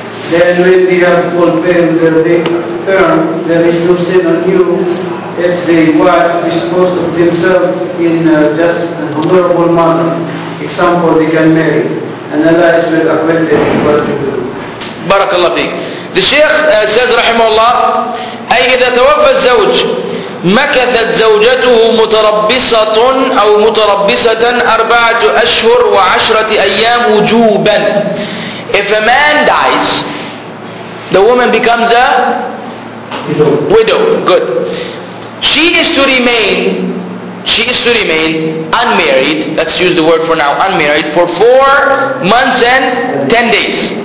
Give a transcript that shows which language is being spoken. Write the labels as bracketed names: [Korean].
[English] Then when they have fulfilled their term, there is no sin on you if the wife disposed of themselves in a just and honorable manner. Example, they can marry, and Allah is well acquainted with what to do. Barakallah feek. The Shaykh says, rahimahullah, [Arabic] أي إذا توفى الزوج مكثت زوجته متربصة أو متربصة أربعة أشهر وعشرة أيام وجوبا. [English] If a man dies, the woman becomes a widow. Good. She is to remain unmarried, let's use the word for now, unmarried, for 4 months and 10 days.